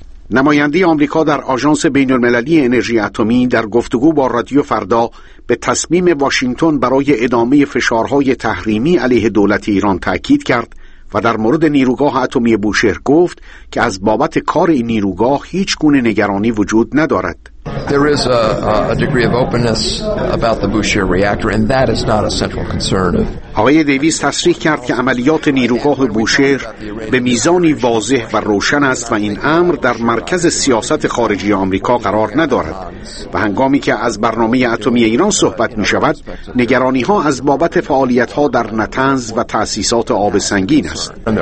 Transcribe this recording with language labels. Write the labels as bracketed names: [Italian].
[Persian] نماینده آمریکا در آژانس بین‌المللی انرژی اتمی در گفتگو با رادیو فردا به تصمیم واشنگتن برای ادامه فشارهای تحریمی علیه دولت ایران تاکید کرد و در مورد نیروگاه اتمی بوشهر گفت که از بابت کار این نیروگاه هیچ گونه نگرانی وجود ندارد. [English] There is a degree of openness about the Bushehr reactor and that is not a central concern. [Persian] آقای دیویس تصریح کرد که عملیات نیروگاه بوشهر به میزانی واضح و روشن است و این امر در مرکز سیاست خارجی آمریکا قرار ندارد و هنگامی که از برنامه اتمی ایران صحبت می شود، نگرانی ها از بابت فعالیت ها در نطنز و تأسیسات آب سنگین است.